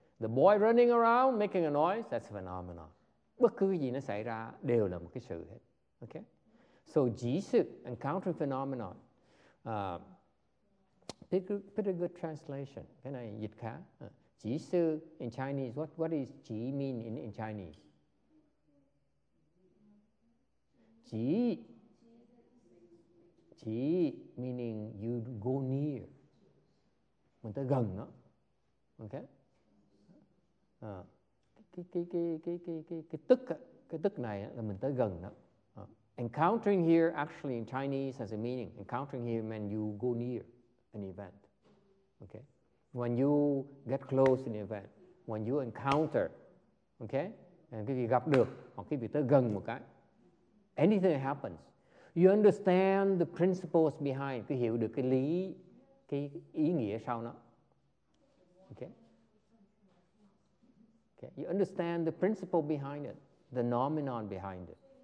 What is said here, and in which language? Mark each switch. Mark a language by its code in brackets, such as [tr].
[en] The boy running around, making a noise, that's a phenomenon. [vi] Bất cứ gì nó xảy ra đều là một cái sự hết. [en] Okay? So, chỉ sự, encountering phenomenon. Pretty good translation. Can I [vi] dịch khá? [en] Chỉ sự in Chinese, what is chỉ mean in Chinese? Chỉ meaning you go near. [vi] Mình tới gần nó. [en] Okay? [vi] Cái tức này là mình tới gần đó. [en] Encountering here actually in Chinese has a meaning. Encountering here means you go near an event. Okay, when you get close an event, when you encounter, okay, and [vi] cái gì gặp được hoặc cái gì tới gần một cái, [en] anything that happens, you understand the principles behind, [vi] cái hiểu được cái lý, cái ý nghĩa sau nó. [en] Okay. Okay. You understand the principle behind it, the phenomenon behind it.